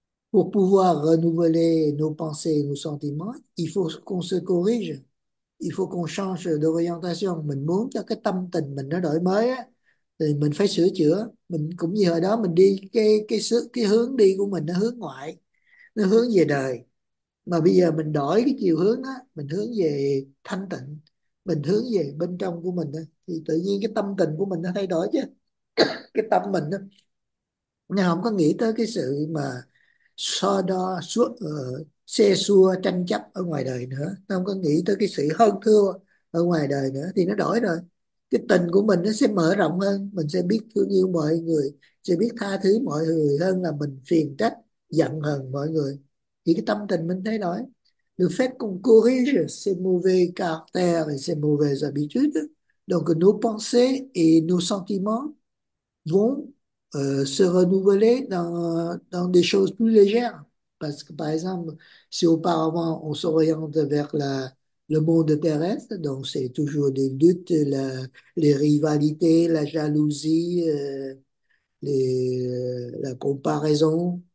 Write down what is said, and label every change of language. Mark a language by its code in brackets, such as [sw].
[fr] Pour pouvoir renouveler nos pensées et nos sentiments, il faut qu'on se corrige, il faut qu'on change d'orientation. [vi] Mình muốn cho cái tâm tình mình nó đổi mới á, thì mình phải sửa chữa. Mình cũng như hồi đó mình đi cái hướng đi của mình nó hướng ngoại, nó hướng về đời. Mà bây giờ mình đổi cái chiều hướng á, mình hướng về thanh tịnh, mình hướng về bên trong của mình đó, thì tự nhiên cái tâm tình của mình nó thay đổi chứ. Cái tâm mình đó, nó không có nghĩ tới cái sự mà so đo suốt xe xua tranh chấp ở ngoài đời nữa, nó không có nghĩ tới cái sự hơn thua ở ngoài đời nữa, thì nó đổi rồi. Cái tình của mình nó sẽ mở rộng hơn, mình sẽ biết thương yêu mọi người, sẽ biết tha thứ mọi người hơn là mình phiền trách giận hờn mọi người. Thì cái tâm tình mình thay đổi. [fr] Le fait qu'on corrige ses mauvais caractères et ses mauvaises habitudes, donc nos pensées et nos sentiments vont se renouveler dans des choses plus légères. Parce que, par exemple, si auparavant on s'oriente vers le monde terrestre, donc c'est toujours des luttes, les rivalités, la jalousie, la comparaison.